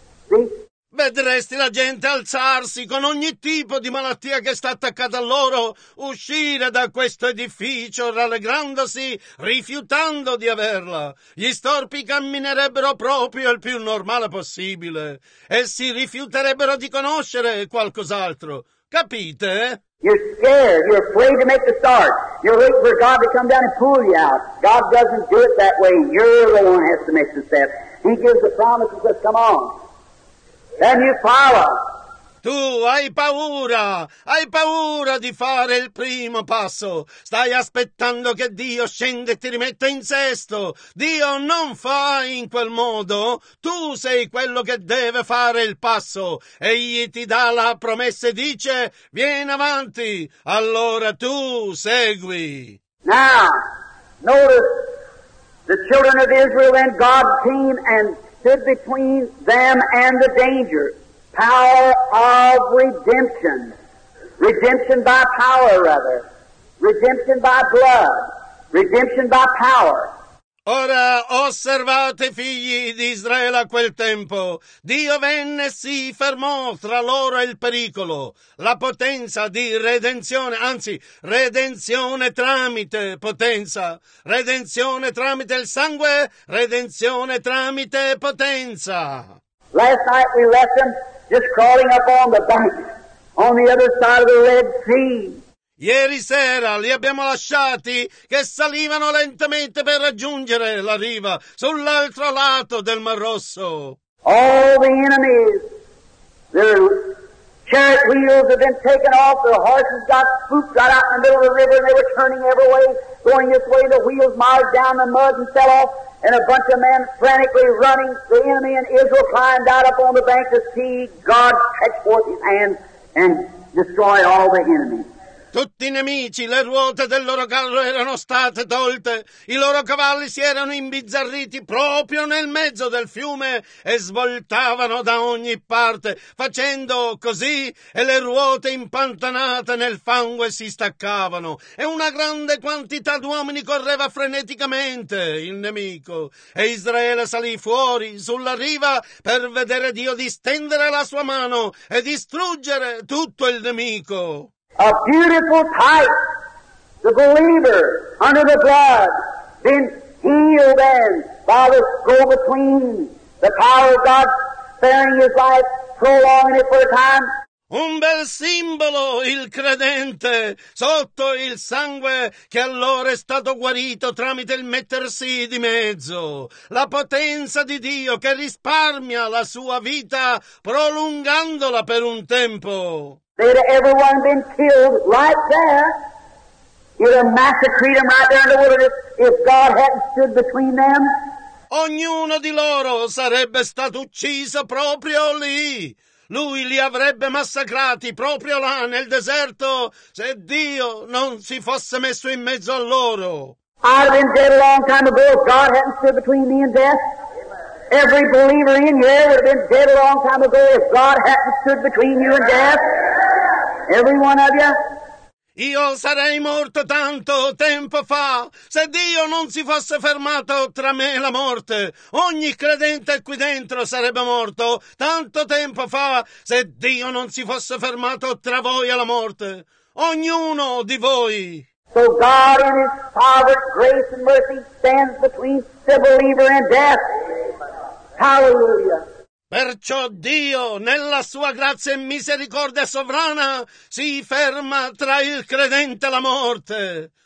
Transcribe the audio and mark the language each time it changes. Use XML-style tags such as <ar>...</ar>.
<en>See?</en> <it>Vedresti la gente alzarsi con ogni tipo di malattia che sta attaccata a loro, uscire da questo edificio rallegrandosi, rifiutando di averla. Gli storpi camminerebbero proprio il più normale possibile e si rifiuterebbero di conoscere qualcos'altro. Capite?</it> <en>You're scared. You're afraid to make the start. You're waiting for God to come down and pull you out. God doesn't do it that way. You're the one who has to make the step. He gives the promise and says, come on. And you follow.</en> <it>Tu hai paura di fare il primo passo. Stai aspettando che Dio scenda e ti rimetta in sesto. Dio non fa in quel modo. Tu sei quello che deve fare il passo. Egli ti dà la promessa e dice, vieni avanti. Allora tu segui.</it> <en>Now, notice the children of Israel and God came and stood between them and the danger. Power of redemption. Redemption by power, rather. Redemption by blood. Redemption by power.</en> <it>Ora osservate, figli di Israele, a quel tempo. Dio venne e si fermò tra loro e il pericolo. La potenza di redenzione, anzi, redenzione tramite potenza. Redenzione tramite il sangue, redenzione tramite potenza.</it> <en>Last night we left them just crawling up on the bank on the other side of the Red Sea.</en> <it>Ieri sera li abbiamo lasciati che salivano lentamente per raggiungere la riva sull'altro lato del Mar Rosso.</it> <en>All the enemies, their chariot wheels have been taken off, their horses got spooked right out in the middle of the river, and they were turning every way, going this way, the wheels mired down the mud and fell off, and a bunch of men frantically running, the enemy and Israel climbed out up on the bank to see God stretch forth his hand and destroy all the enemies.</en> <it>Tutti i nemici, le ruote del loro carro erano state tolte, i loro cavalli si erano imbizzarriti proprio nel mezzo del fiume e svoltavano da ogni parte, facendo così e le ruote impantanate nel fango e si staccavano. E una grande quantità d'uomini correva freneticamente il nemico. E Israele salì fuori sulla riva per vedere Dio distendere la sua mano e distruggere tutto il nemico.</it> <en>A beautiful type, the believer under the blood, been healed and by the go-between, the power of God sparing his life, prolonging it for a time.</en> <it>Un bel simbolo, il credente, sotto il sangue che allora è stato guarito tramite il mettersi di mezzo. La potenza di Dio che risparmia la sua vita prolungandola per un tempo.</it> <en>They'd have everyone been killed right there. You'd have massacred them right there in the wilderness if God hadn't stood between them.</en> <it>Ognuno di loro sarebbe stato ucciso proprio lì. Lui li avrebbe massacrati proprio là nel deserto se Dio non si fosse messo in mezzo a loro.</it> <en>I'd have been dead a long time ago if God hadn't stood between me and death. Every believer in here would have been dead a long time ago if God hadn't stood between you and death. Every one of you.</en> <it>Io sarei morto tanto tempo fa se Dio non si fosse fermato tra me e la morte. Ogni credente qui dentro sarebbe morto tanto tempo fa se Dio non si fosse fermato tra voi e la morte. Ognuno di voi.</it> <en>So God in His power, grace and mercy stands between the believer and death. Hallelujah.</en> <it>Perciò Dio, nella sua grazia e misericordia sovrana, si ferma tra il credente e la morte.</it>